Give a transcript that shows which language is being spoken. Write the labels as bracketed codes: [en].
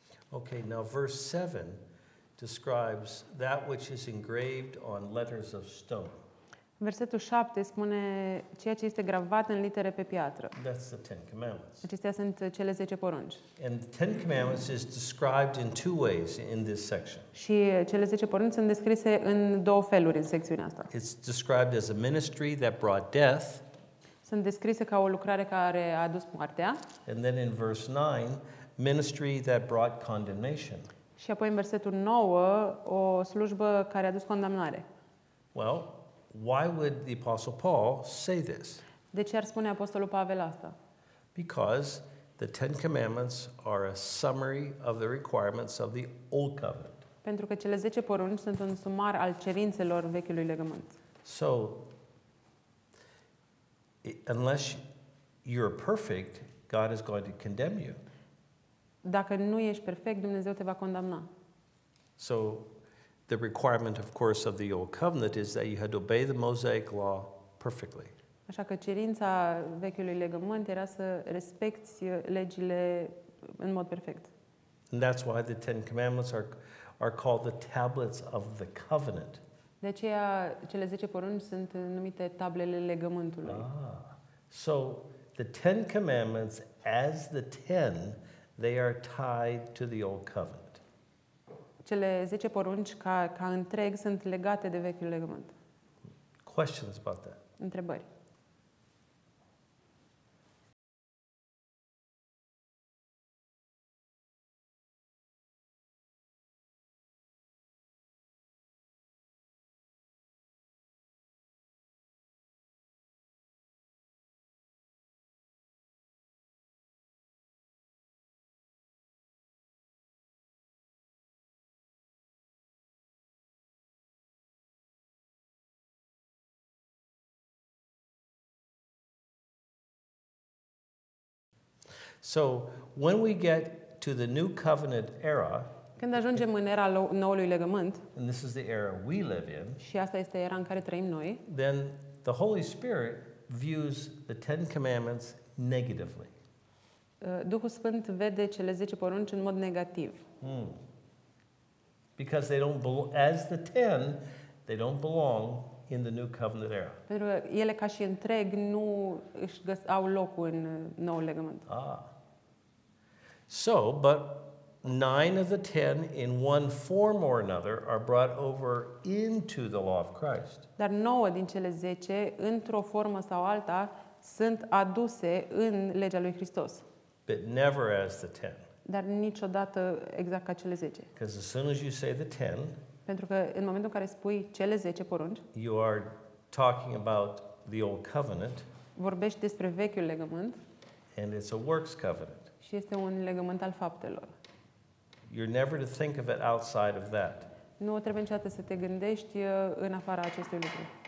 [en] Okay, now verse 7 describes that which is engraved on letters of stone. [ro] Versetul 7 spune ceea ce este gravat în litere pe piatră. [en] That's the Ten Commandments. [ro] Acestea sunt cele 10 porunci. [en] And the Ten Commandments is described in two ways in this section. [ro] Și cele 10 porunci sunt descrise în două feluri în secțiunea asta. [en] It's described as a ministry that brought death. [ro] Sunt descrise ca o lucrare care a adus moartea. [en] And then in verse 9, ministry that brought condemnation. [ro] Și apoi în versetul 9, o slujbă care a dus condamnare. [en] Well, why would the apostle Paul say this? [ro] De ce ar spune apostolul Pavel asta? [en] Because the Ten Commandments are a summary of the requirements of the Old Covenant. [ro] Pentru că cele 10 porunci sunt un sumar al cerințelor vechiului legământ. [en] So, unless you're perfect, God is going to condemn you. [ro] Dacă nu ești perfect, Dumnezeu te va condamna. [en] So, the requirement, of course, of the Old Covenant is that you had to obey the Mosaic Law perfectly. [ro] Așa că cerința vechiului legământ era să respecti legile în mod perfect. [en] And that's why the Ten Commandments are called the tablets of the covenant. [ro] De aceea, cele 10 porunci sunt numite tablele legământului. Ah. [en] So, the Ten Commandments as the ten, they are tied to the old covenant. [ro] Cele 10 porunci ca întreg sunt legate de vechiul legământ. [en] Questions about that? [ro] Întrebări. [en] So when we get to the new covenant era, [ro] când ajungem în era noului legământ, [en] and this is the era we live in, [ro] și asta este era în care trăim noi, [en] then the Holy Spirit views the Ten Commandments negatively. [ro] Duhul Sfânt vede cele 10 porunci în mod negativ. Hmm. [en] Because they don't as the ten, they don't belong in the new covenant era. [ro] Pentru că ele ca și întreg nu își au locul în noul legământ. Ah. [en] So, but 9 of the 10 in one form or another are brought over into the law of Christ. [ro] Dar 9 din cele 10 într-o formă sau alta sunt aduse în legea lui Hristos. [en] But never as the 10. [ro] Dar niciodată exact ca cele 10. [en] Because as soon as you say the 10, [ro] pentru că în momentul în care spui cele 10 porunci, [en] you are talking about the old covenant. [ro] Vorbești despre vechiul legământ. [en] And it's a works covenant. [ro] Și este un legământ al faptelor. [en] You're never to think of it outside of that. [ro] Nu trebuie niciodată să te gândești în afara acestui lucru.